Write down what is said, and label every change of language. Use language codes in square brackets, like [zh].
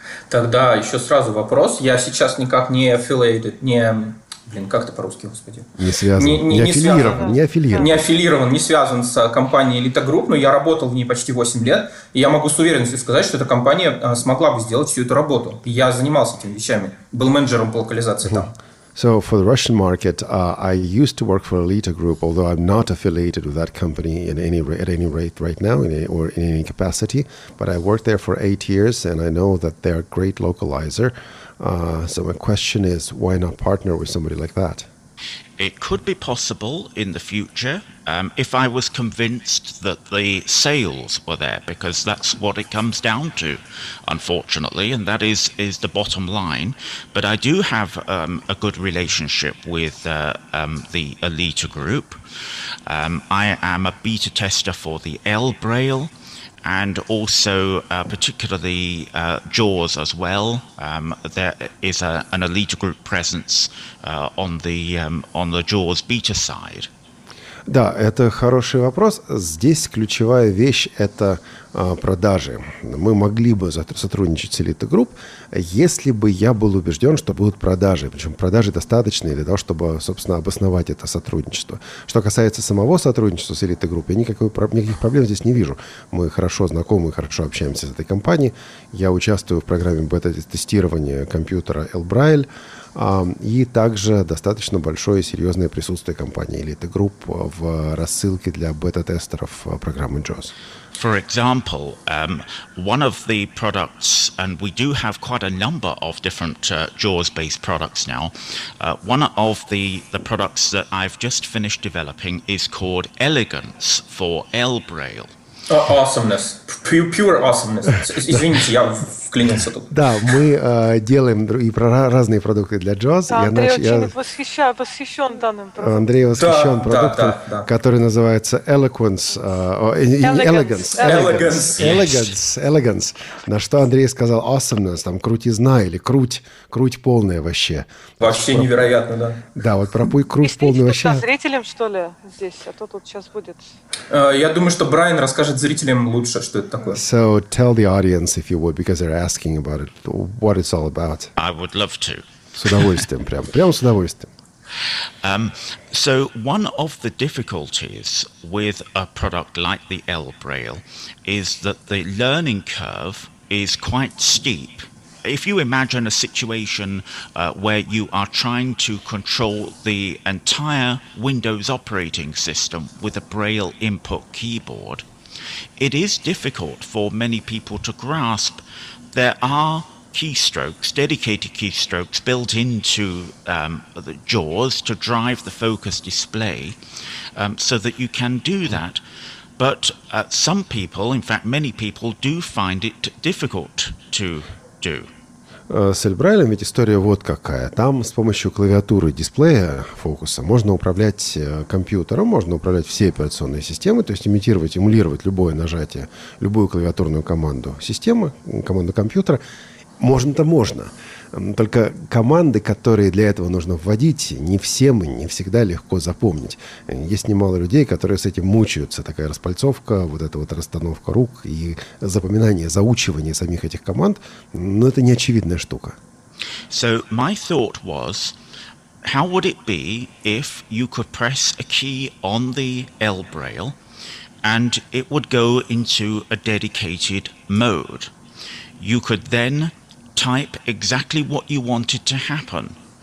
[ru] Тогда еще сразу вопрос. Я сейчас никак не [en] affiliated, [ru] не... Блин, как это по-русски, господи? Не связан. Не аффилирован, не связан с компанией Elite Group, но я работал в ней почти 8 лет, и я могу с уверенностью сказать, что эта компания смогла бы сделать всю эту работу. Я занимался этими вещами, был менеджером по локализации там. [en] So, for the Russian market, I used to work for Elite Group, although I'm not affiliated with that company at any rate right now or in any capacity. But I worked there for 8 years, and I know that they're a great localizer. So my question is, why not partner with somebody like that? It could be possible in the future if I was convinced that the sales were there, because that's what it comes down to, unfortunately, and that is the bottom line. But I do have a good relationship with the Elite Group. I am a beta tester for the L Braille and also particularly JAWS as well. There is an Elite Group presence on the JAWS beta side. [ru] Да, это хороший вопрос. Здесь ключевая вещь – это продажи. Мы могли бы сотрудничать с Elite Group, если бы я был убежден, что будут продажи. Причем продажи достаточные для того, чтобы, собственно, обосновать это сотрудничество. Что касается самого сотрудничества с Elite Group, я никаких проблем здесь не вижу. Мы хорошо знакомы, хорошо общаемся с этой компанией. Я участвую в программе бета-тестирования компьютера L-Braille. И также достаточно большое и серьезное присутствие компании Elite Group в рассылке для бета-тестеров программы JAWS. [en] For example, one of the products, and we do have quite a number of different JAWS-based products now, one of the products that I've just finished developing is called Elegance for L-Braille. Awesomeness. Pure awesomeness. [ru] Извините, я вклинился тут. Да, мы делаем и разные продукты для JAWS. Да, Андрей восхищен данным продуктом. Андрей восхищен продуктом, который называется Elegance. На что Андрей сказал [en] awesomeness, [ru] там крутизна или круть полная вообще. Вообще невероятно, да. Да, вот пробуй круть полную вообще. Объясните зрителям, что ли, здесь, а то тут сейчас будет. Я думаю, что Брайан расскажет зрителям лучше, что это такое. [en] So tell the audience, if you would, because they're asking about it, what it's all about. I would love to. [ru] С удовольствием, прям с удовольствием. [en] So one of the difficulties with a product like the L Braille is that the learning curve is quite steep. If you imagine a situation where you are trying to control the entire Windows operating system with a Braille input keyboard, it is difficult for many people to grasp. There are keystrokes, dedicated keystrokes, built into the JAWS to drive the focus display so that you can do that. But some people, in fact, many people, do find it difficult to do. [ru] С L-Braille ведь история вот какая. Там с помощью клавиатуры дисплея фокуса можно управлять компьютером, можно управлять всей операционной системой, то есть имитировать, эмулировать любое нажатие, любую клавиатурную команду системы, команду компьютера. Можно-то можно. Только команды, которые для этого нужно вводить, не всем и не всегда легко запомнить. Есть немало людей, которые с этим мучаются. Такая распальцовка, вот эта вот расстановка рук и запоминание, заучивание самих этих команд. Но это не очевидная штука. [en] So my thought was, how would it be if you could press a key on the L braille and it would go into a dedicated mode? You could then type exactly what you wanted to happen.